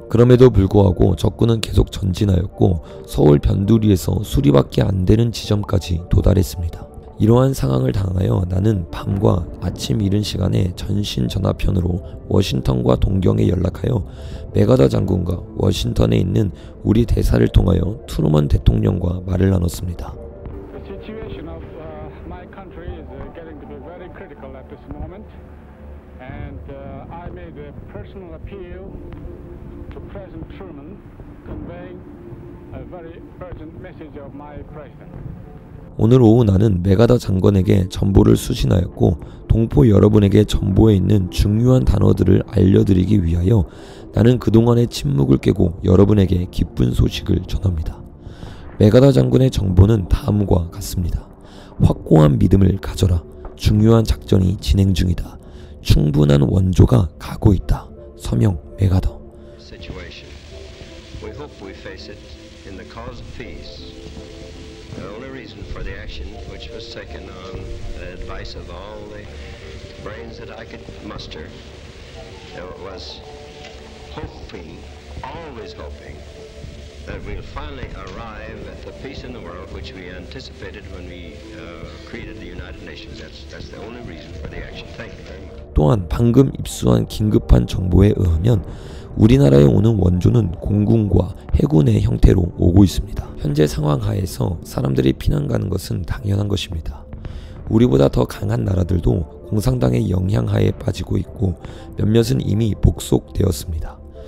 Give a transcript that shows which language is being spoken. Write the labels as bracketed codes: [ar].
[ko] 그럼에도 불구하고 적군은 계속 전진하였고 서울 변두리에서 수리밖에 안 되는 지점까지 도달했습니다. 이러한 상황을 당하여 나는 밤과 아침 이른 시간에 전신 전화편으로 워싱턴과 동경에 연락하여 맥아더 장군과 워싱턴에 있는 우리 대사를 통하여 트루먼 대통령과 말을 나눴습니다. [en] The situation of my country is getting to be very critical at this moment. And I made a personal appeal to President Truman conveying a very urgent message of my president. [ko] 오늘 오후 나는 맥아더 장관에게 전보를 수신하였고 동포 여러분에게 전보에 있는 중요한 단어들을 알려드리기 위하여 나는 그동안의 침묵을 깨고 여러분에게 기쁜 소식을 전합니다. 맥아더 장군의 정보는 다음과 같습니다. 확고한 믿음을 가져라. 중요한 작전이 진행 중이다. 충분한 원조가 가고 있다. 서명 맥아더. Situation. [en] We hope we face it in the cause of peace. The only reason for the action, which was taken on the advice of all the brains that I could muster, was hoping, always hoping, that we'll finally arrive at the peace in the world which we anticipated when we created the United Nations. That's the only reason for the action. Thank you very much. [ko] 또한 방금 입수한 긴급한 정보에 의하면 우리나라에 오는 원조는 공군과 해군의 형태로 오고 있습니다. 현재 상황 하에서 사람들이 피난 가는 것은 당연한 것입니다. 우리보다 더 강한 나라들도 공산당의 영향하에 빠지고 있고 몇몇은 이미 복속되었습니다.